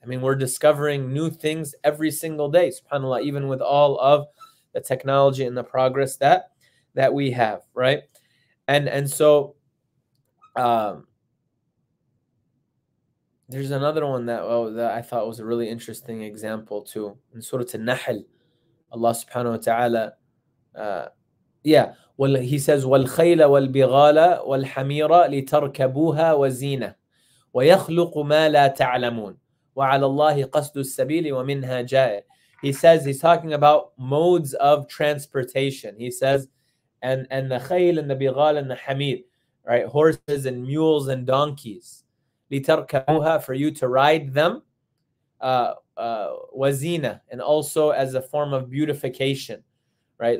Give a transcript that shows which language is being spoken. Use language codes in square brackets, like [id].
[en] I mean, we're discovering new things every single day, subhanAllah, even with all of the technology and the progress that we have, right? And so there's another one that I thought was a really interesting example too. In Surah An-Nahl, Allah subhanahu wa ta'ala, well, he says, [ar] وَالْخَيْلَ وَالْبِغَالَ وَالْحَمِيرَ لِتَرْكَبُوهَا وَزِينَ وَيَخْلُقُ مَا لَا تَعْلَمُونَ وَعَلَى اللَّهِ قَصْدُ السَّبِيلِ وَمِنْهَا جَائِرٌ. [en] He says, he's talking about modes of transportation. He says, and the khayl and the bighal and the hamir, right? Horses and mules and donkeys. [ar] لِتَرْكَبُوهَا, [en] for you to ride them. وَزِينَ, and also as a form of beautification, right?